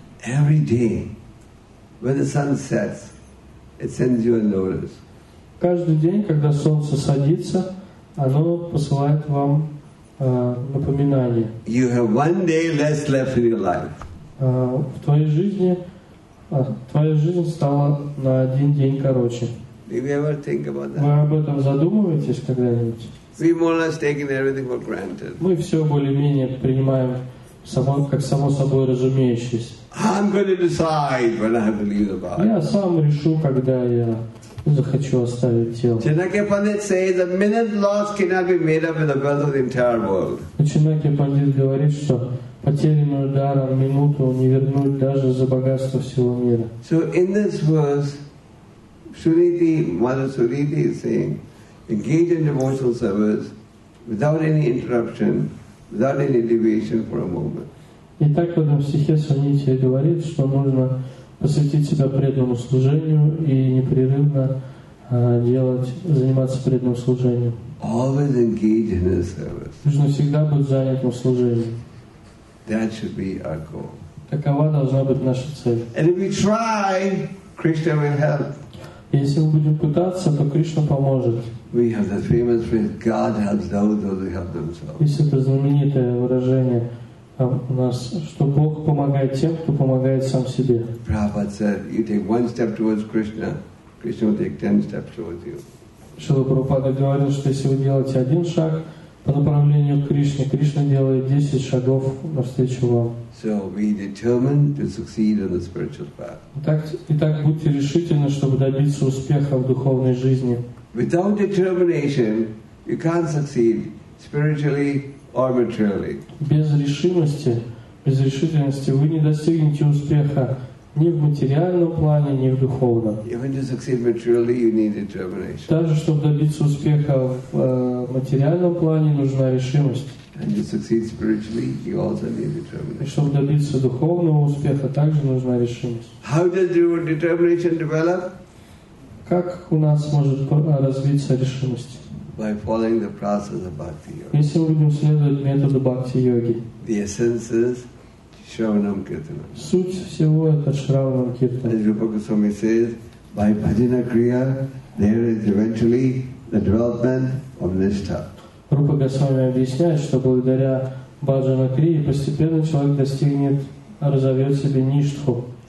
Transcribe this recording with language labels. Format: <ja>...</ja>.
<en>Every day, when the sun sets, it sends you a notice.</en> <ru>Каждый день, когда солнце садится, оно посылает вам напоминание.</ru> <en>You have one day less left in your life.</en> <ru>В твоей жизни стала на один день короче.</ru> <en>Do you ever think about that?</en> <ru>Вы об этом задумываетесь когда-нибудь?</ru> <en>We more or less taking everything for granted.</en> <ru>Мы все более-менее принимаем само как само собой разумеющееся.</ru> <en>I'm going to decide when I have to leave the body.</en> <ru>Я сам решу, когда я захочу оставить тело.</ru> <en>Chanakya Pandit says, a minute lost cannot be made up in the wealth of the entire world.</en> <ru>Chanakya Pandit говорит, что потерянную даром минуту не вернуть даже за богатство всего мира.</ru> <en>So in this verse, Suriti, Mother Suriti is saying, engage in devotional service without any interruption, without any deviation for a moment.</en> <ru>И так в этом стихе Санитья говорит, что нужно посвятить себя преданному служению и непрерывно заниматься преданным служением.</ru> <en>Always engage in this service.</en> <ru>Нужно всегда быть занятым служением.</ru> <en>That should be our goal.</en> <ru>Такова должна быть наша цель.</ru> <en>And if we try, Krishna will help.</en> <ru>Если мы будем пытаться, то Кришна поможет.</ru> <en>We have the famous phrase, God helps those who help themselves.</en> <ru>Есть это знаменитое выражение у нас, что Бог помогает тем, кто помогает сам себе.</ru> <en>Prabhupada said, you take one step towards Krishna, Krishna will take 10 steps towards you.</en> <ru>Шрила Прабхупада говорил, что если вы делаете один шаг по направлению к Кришне, Кришна делает 10 шагов навстречу вам.</ru> <en>So be determined to succeed on the spiritual path.</en> <ru>Итак, будьте решительны, чтобы добиться успеха в духовной жизни.</ru> <en>Without determination, you can't succeed spiritually or materially.</en> <ru>Без решительности вы не достигнете успеха ни в материальном плане, ни в духовном.</ru> <en>Even to succeed materially, you need determination.</en> <ru>Даже чтобы добиться успеха в материальном плане, нужна решимость.</ru> <en>And to succeed spiritually, you also need determination.</en> <ru>И чтобы добиться духовного успеха, также нужна решимость.</ru> <en>How does your determination develop?</en> <ru>Как у нас может развиться решимость?</ru> <en>By following the process of bhakti yoga.</en> <ru>Если мы будем следовать методу бхакти йоги.</ru> <en>The essence is shravanam kirtanam.</en> <ru>Суть всего это шравана киртана.</ru> <en>As Rupa Goswami says, by bhajana kriya, there is eventually the development of nishtha.</en> <ru>Рупа Госвами объясняет, что благодаря бхаджана крии постепенно человек достигнет, разовьет в себе ништху.</ru>